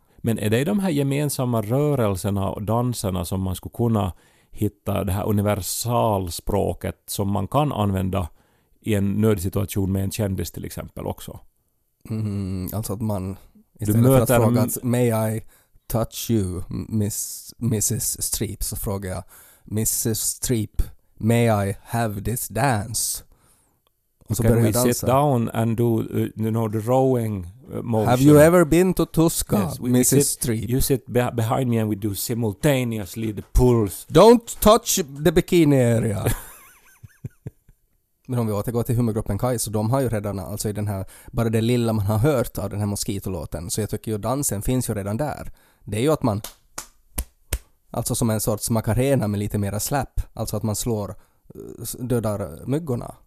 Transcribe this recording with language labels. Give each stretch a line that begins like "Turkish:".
Swedish: Men är det de här gemensamma rörelserna och danserna som man skulle kunna hitta det här universalspråket som man kan använda i en nödsituation med en kändis till exempel också? Alltså att man istället för att fråga att
English: may I touch you Mrs.
Swedish: Streep, så frågar jag Mrs.
English: Streep, may I have this dance?
Swedish: Och så
English: can we sit down and do you know, the rowing motion? Have you ever been to Tosca, yes, Mrs. Streep? You sit behind me and we do simultaneously the pulls. Don't touch the bikini area.
Swedish: Men om vi återgår till humorgruppen Kaj, så de har ju redan, alltså i den här, bara det lilla man har hört av den här moskitolåten, så jag tycker ju dansen finns ju redan där. Det är ju att man, alltså som en sorts macarena med lite mera släpp. Alltså att man slår, dödar myggorna.